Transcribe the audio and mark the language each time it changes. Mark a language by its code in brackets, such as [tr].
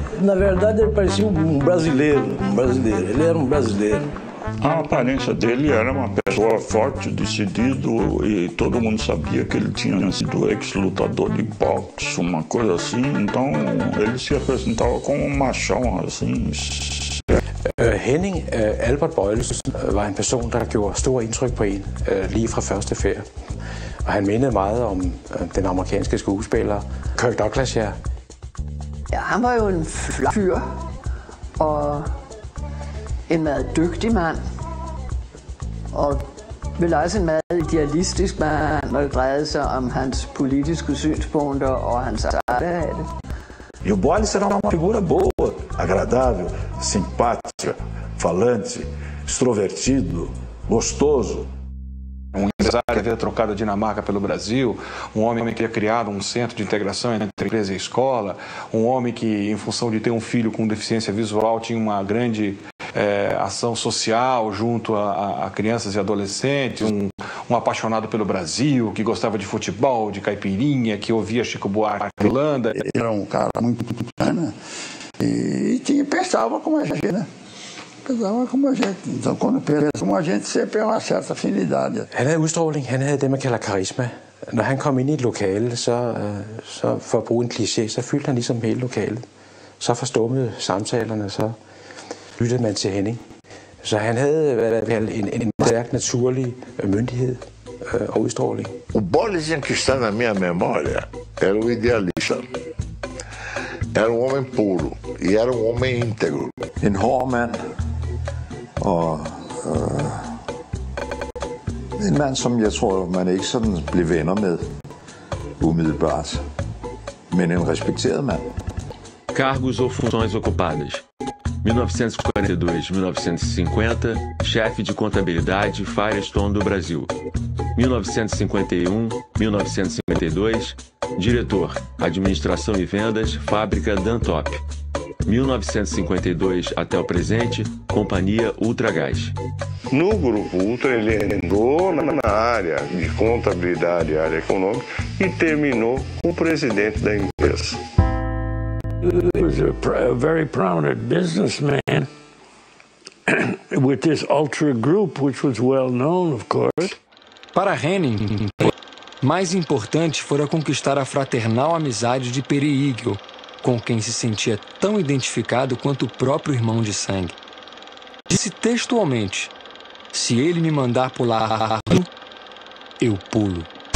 [pt] Na verdade, ele parecia um brasileiro, Ele era um brasileiro. A aparência dele era uma pessoa forte, decidido, e todo mundo sabia que ele tinha sido ex-lutador de boxe, uma coisa assim. Então, ele se apresentava como um machão, assim. [da] Henning Albert Bøjlesen var en person, der gjorde stor indtryk på en lige fra første færd. Og han mindede meget om den amerikanske skuespiller Kirk Douglas her. Ja, han var jo en flot fyr, og en meget dygtig mand, og vel også en meget idealistisk mand, når det drejede sig om hans politiske synspunkter og hans arbejde. [pt] E o Boles era uma figura boa, agradável, simpática, falante, extrovertido, gostoso. Um empresário que havia trocado a Dinamarca pelo Brasil, um homem que havia criado um centro de integração entre empresa e escola, um homem que, em função de ter um filho com deficiência visual, tinha uma grande ação social junto a crianças e adolescentes, um apaixonado pelo Brasil, que gostava de futebol, de caipirinha, que ouvia Chico Buarque de Holanda. Era um cara muito bacana e tinha, pensava como a gente, né? Pensava como a gente. Então, quando pensa como a gente, sempre é uma certa afinidade. Ele tinha [da] utstråling, [pt] ele tinha [da] det man kalder karisma. Når han kom ind i et lokale, så for at bruge en cliché, så fyldte han ligesom hele lokalet. Så forstummede samtalerne, så lyttede man til Henning. Så han havde en stærk naturlig myndighed og udstråling. [pt] O Boles, que está na minha memória, era um idealista. Era um homem puro e era um homem íntegro. [da] En hård mand. Og en mand, som jeg tror, man ikke sådan blev venner med umiddelbart. Men en respekteret mand. [pt] Cargos ou funções ocupadas. 1942-1950, chefe de contabilidade Firestone do Brasil. 1951-1952, diretor, administração e vendas, fábrica Dantop. 1952 até o presente, companhia Ultragás. No grupo Ultra, ele entrou na área de contabilidade, área econômica, e terminou como presidente da empresa. [en] He was a very prominent businessman with this Ultra Group, which was well known, of course. [pt] Para Henning, mais importante fora conquistar a fraternal amizade de Peri Eagle, com quem se sentia tão identificado quanto o próprio irmão de sangue. Disse textualmente: se ele me mandar pular, eu pulo.